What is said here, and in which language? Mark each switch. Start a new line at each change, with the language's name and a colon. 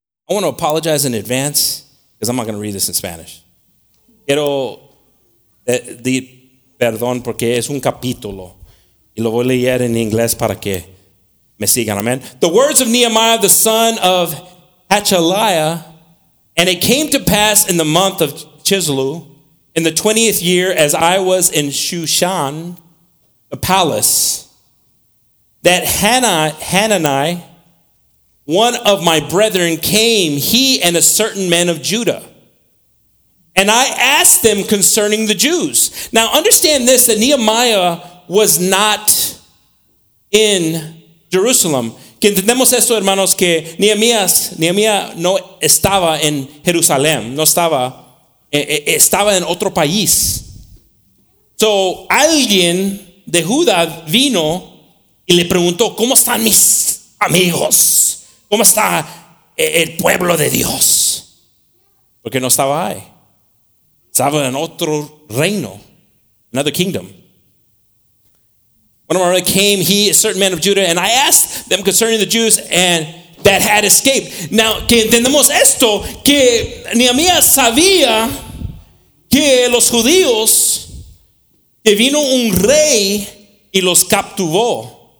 English: I want to apologize in advance because I'm not going to read this in Spanish.
Spanish: Quiero pedir perdón porque es un capítulo y lo voy a leer en inglés para que me sigan. Amen.
English: The words of Nehemiah, the son of Hachaliah, and it came to pass in the month of Chislu, in the 20th year, as I was in Shushan, the palace, that Hanani, one of my brethren, came, he and a certain man of Judah. And I asked them concerning the Jews. Now understand this, that Nehemiah was not in Jerusalem.
Spanish: Que entendemos esto, hermanos, que Nehemiah no estaba en Jerusalén, no estaba, estaba en otro país. So alguien de Judá vino y le preguntó, ¿cómo están mis amigos? ¿Cómo está el pueblo de Dios? Porque no estaba ahí. Estaba en otro reino.
English: Another kingdom. One of my brethren came, he, a certain man of Judah, and I asked them concerning the Jews and that had escaped.
Spanish: Now, que entendemos esto, que Nehemías sabía que los judíos, que vino un rey y los capturó.